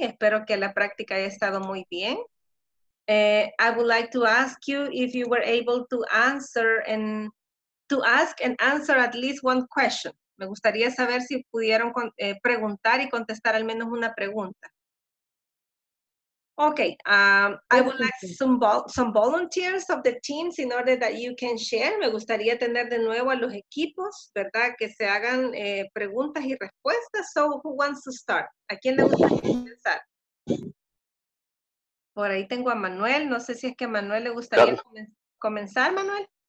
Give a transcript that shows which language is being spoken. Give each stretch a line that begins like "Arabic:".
Spanish: Espero que la práctica haya estado muy bien.
English: I would like to ask you if you were able to answer and to ask and answer at least one question.
Spanish: Me gustaría saber si pudieron preguntar y contestar al menos una pregunta.
English: Okay, I would like some volunteers of the teams in order that you can share.
Spanish: Me gustaría tener de nuevo a los equipos, ¿verdad? Que se hagan preguntas y respuestas.
English: So, who wants to start?
Spanish: ¿A quién le gustaría comenzar? Por ahí tengo a Manuel. No sé si es que a Manuel le gustaría comenzar, Manuel.